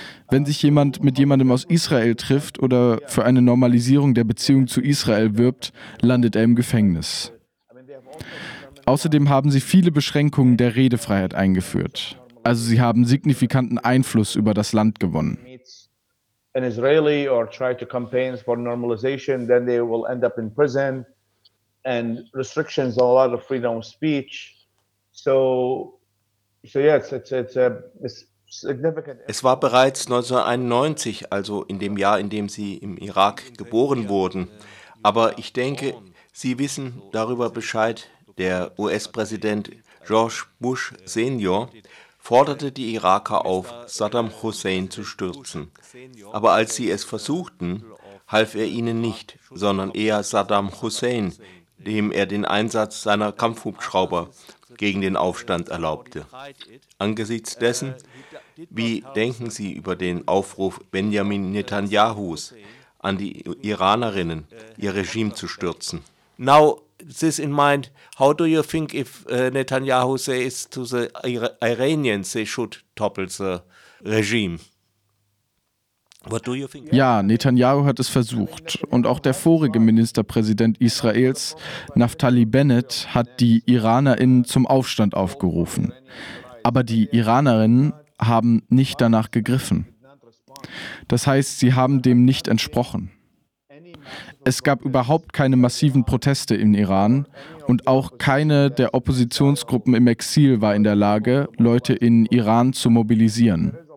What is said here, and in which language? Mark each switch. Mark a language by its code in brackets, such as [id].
[de] Wenn sich jemand mit jemandem aus Israel trifft oder für eine Normalisierung der Beziehung zu Israel wirbt, landet er im Gefängnis. Außerdem haben sie viele Beschränkungen der Redefreiheit eingeführt. Also sie haben signifikanten Einfluss über das Land gewonnen. [en] An Israeli or try to campaign for normalization, then they will end up in prison and restrictions on a lot of freedom of speech. So it's significant. [de] Es war bereits 1991, also in dem Jahr, in dem sie im Irak geboren wurden, Aber ich denke, Sie wissen darüber Bescheid. Der US-Präsident George Bush Senior forderte die Iraker auf, Saddam Hussein zu stürzen. Aber als sie es versuchten, half er ihnen nicht, sondern eher Saddam Hussein, dem er den Einsatz seiner Kampfhubschrauber gegen den Aufstand erlaubte. Angesichts dessen, wie denken Sie über den Aufruf Benjamin Netanyahus an die Iranerinnen, ihr Regime zu stürzen? [en] Now, this in mind, how do you think if Netanyahu says to the Iranians they should topple the regime? What do you think? [de] Ja, Netanyahu hat es versucht. Und auch der vorige Ministerpräsident Israels, Naftali Bennett, hat die IranerInnen zum Aufstand aufgerufen. Aber die IranerInnen haben nicht danach gegriffen. Das heißt, sie haben dem nicht entsprochen. Es gab überhaupt keine massiven Proteste in Iran und auch keine der Oppositionsgruppen im Exil war in der Lage, Leute in Iran zu mobilisieren.